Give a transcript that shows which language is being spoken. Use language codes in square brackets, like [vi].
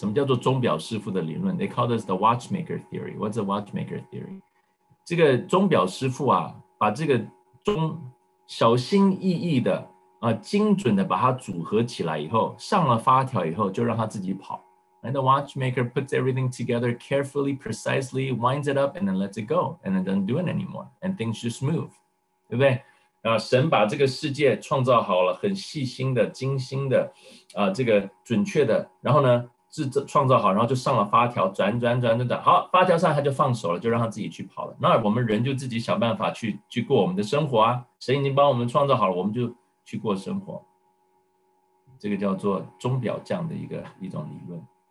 [zh] 什么叫做钟表师傅的理论？ [en] They call this the watchmaker theory. What's the watchmaker theory? [zh] 这个钟表师傅啊，把这个钟小心翼翼的精准的把它组合起来以后，上了发条以后，就让它自己跑。 [en] And the watchmaker puts everything together carefully, precisely, winds it up, and then lets it go, and then doesn't do it anymore, and things just move, [zh] 对不对？啊，神把这个世界创造好了，很细心的、精心的，啊，这个准确的，然后呢，创造好，然后就上了发条，转转转转转，好，发条上他就放手了，就让他自己去跑了。那我们人就自己想办法去过我们的生活啊。神已经帮我们创造好了，我们就去过生活。这个叫做钟表匠的一种理论。